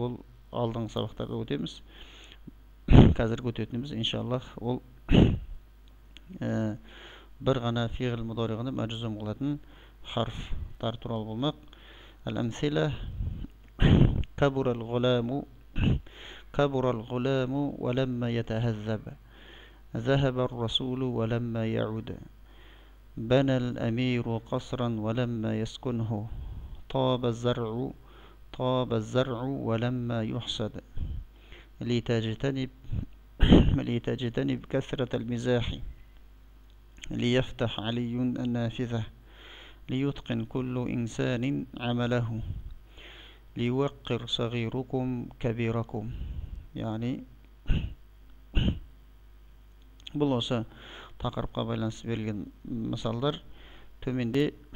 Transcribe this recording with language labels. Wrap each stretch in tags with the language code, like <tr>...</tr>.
<kk>ол алдыңғы сабақтарда өтеміз, қазіргі өтетініміз иншаллах ол бір ғана фиғыл мұдариғыны мәжзум қылатын харфтар туралы болмақ.</kk> <ar>әл-әмсила кабура ал-ғұламу уәләмма йәтәһәззәб зәһәбә ар-расул уәләмма йәуд بنى الأمير قصرا ولما يسكنه طاب الزرع ولما يحصد لتجتنب كثرة المزاح ليفتح علي النافذة ليتقن كل إنسان عمله ليوقر صغيركم كبيركم. يعني بل</ar> <kk>тақырыпқа байланысты берілген мысалдар төменде.</kk>